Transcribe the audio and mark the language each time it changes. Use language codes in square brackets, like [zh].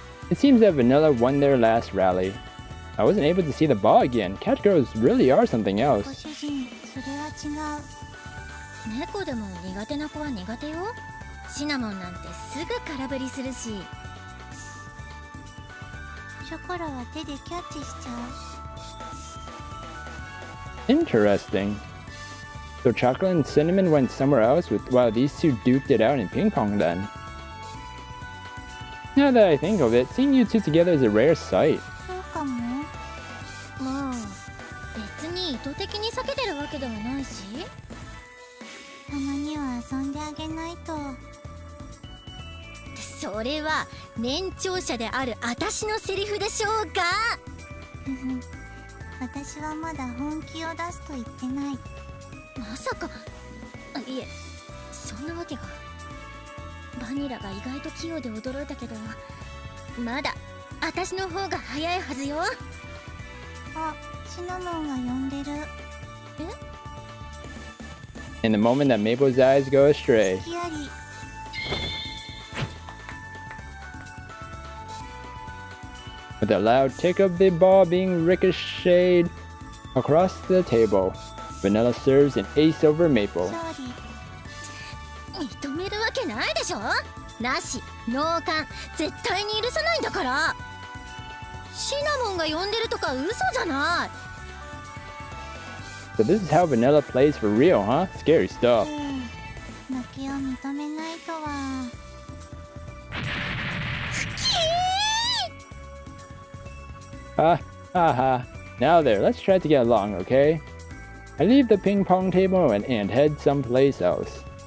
[en] It seems that Vanilla won their last rally. I wasn't able to see the ball again. Cat girls really are something else. [ja] ご主人、それは違う。猫でも苦手な子は苦手よ。シナモンなんてすぐ空振りするし。ショコラは手でキャッチしちゃう。 [en] Interesting. So Chocola and Cinnamon went somewhere else with, while these two duked it out in ping pong then. Now that I think of it, seeing you two together is a rare sight. [ja] そうかも。まあ、別に意図的に避けてるわけではないし。たまには遊んであげないと。それは年長者である私のセリフでしょうか。私はまだ本気を出すと言ってない。まさか、いえ、そんなわけが。バニラが意外と器用で驚いたけど、まだ私の方が早いはずよ。あ、シナモンが呼んでる。え？ [en] In the moment that Mabel's eyes go astray. [ja] 隙あり。 [en] With a loud tick of the ball being ricocheted across the table, Vanilla serves an ace over Maple. Sorry. [ja] 認めるわけないでしょ？なし、脳幹、絶対に許さないんだから。シナモンが呼んでるとか嘘じゃない。 [en] So this is how Vanilla plays for real, huh? Scary stuff. [ja] 負けを認めないとは。 [en] Now there, let's try to get along, okay? I leave the ping pong table and head someplace else.